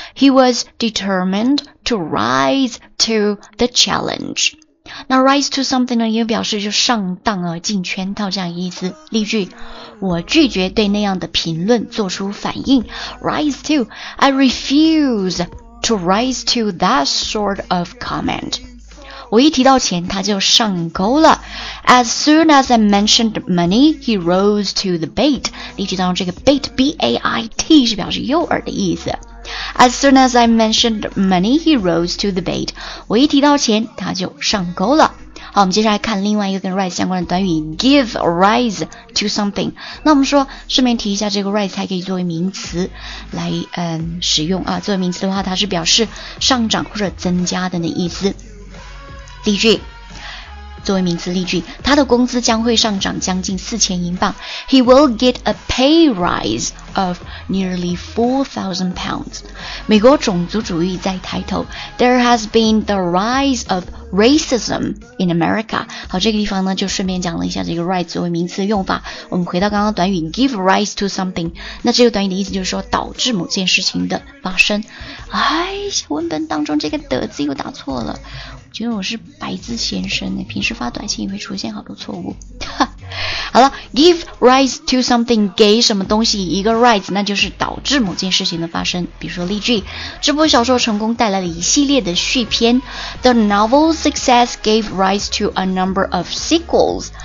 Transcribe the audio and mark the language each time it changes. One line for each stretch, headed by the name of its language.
English: He was determined to rise to the challenge。
Chinese: 那
English: rise to something
Chinese: 呢，也表示就上当而进圈套这样意思。例句，我拒绝对那样的评论做出反应。
English: Rise to， I refuse to rise to that sort of comment，
Chinese: 我一提到钱他就上钩了。
English: As soon as I mentioned money, he rose to the bait。
Chinese: 例句当中这个 bait B-A-I-T 是表示诱饵的意思。
English: As soon as I mentioned money, he rose to the bait，
Chinese: 我一提到钱他就上钩了。好，我们接下来看另外一个跟 rise 相关的短语，
English: give rise to something。
Chinese: 那我们说顺便提一下，这个 rise 还可以作为名词来使用啊。作为名词的话，它是表示上涨或者增加的那意思。例句，作为名词例句，他的工资将会上涨将近4000英镑。
English: He will get a pay rise of nearly 4,000 pounds。
Chinese: 美国种族主义在抬头。
English: There has been the rise of racism in America。
Chinese: 好，这个地方呢就顺便讲了一下这个 rise 作为名词的用法。我们回到刚刚短语
English: give rise to something，
Chinese: 那这个短语的意思就是说导致某件事情的发生。哎，文本当中这个的字又打错了，觉得我是白字先生，平时发短信也会出现好多错误。好了，
English: give rise to something，
Chinese: 给什么东西一个 rise， 那就是导致某件事情的发生。比如说例句，这部小说成功带来了一系列的续篇。
English: The novel's success gave rise to a number of sequels。